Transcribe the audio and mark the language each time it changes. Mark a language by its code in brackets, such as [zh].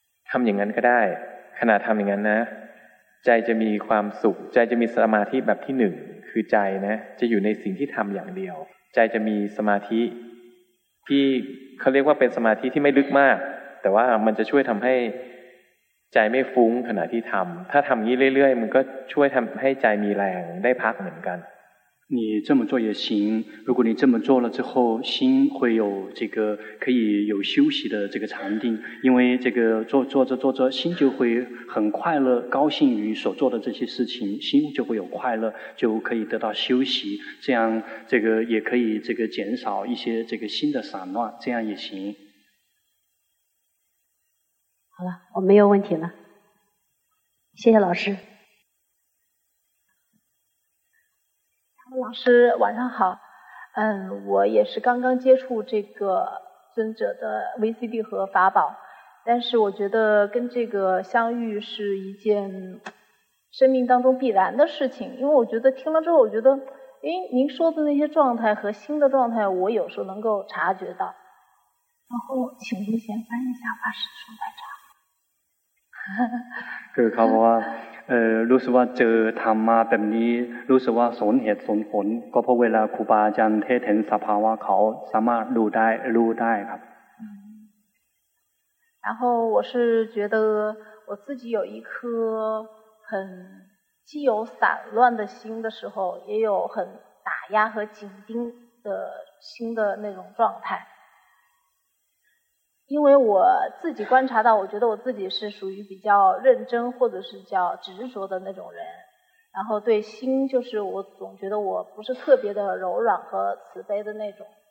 [th] ทำอย่างนั้นก็ได้ขณะทำอย่างนั้นนะใจจะมีความสุขใจจะมีสมาธิแบบที่หนึ่งคือใจนะจะอยู่ในสิ่งที่ทำอย่างเดียวใจจะมีสมาธิที่เขาเรียกว่าเป็นสมาธิที่ไม่ลึกมากแต่ว่ามันจะช่วยทำให้ใจไม่ฟุ้งขณะที่ทำถ้าทำงี้เรื่อยๆมันก็ช่วยทำให้ใจมีแรงได้พักเหมือนกัน [zh] 你这么做也行如果你这么做了之后心会有这个可以有休息的这个禅定因为这个做着心就会很快乐高兴于所做的这些事情心就会有快乐就可以得到休息这样这个也可以这个减少一些这个心的散乱这样也行好了我没有问题了谢谢老师老师晚上好我也是刚刚接触这个尊者的 VCD 和法宝但是我觉得跟这个相遇是一件生命当中必然的事情。因为我觉得听了之后，我觉得，哎，您说的那些状态和新的状态，我有时候能够察觉到。然后，请您先翻一下法师说的这样。 [th] คือเขาบอกว่ารู้สึกว่าเจอธรรมมาแบบนี้รู้สึกว่าสนเหตุสนผลก็เพราะเวลาครูบาอาจารย์เทศน์เห็นสภาวะเขาสามารถดูได้รู้ได้ครับ [zh] 然后我是觉得我自己有一颗很既有散乱的心的时候也有很打压和紧盯的心的那种状态因为我自己观察到我觉得我自己是属于比较认真或者是叫执着的那种人然后对心就是我总觉得我不是特别的柔软和慈悲的那种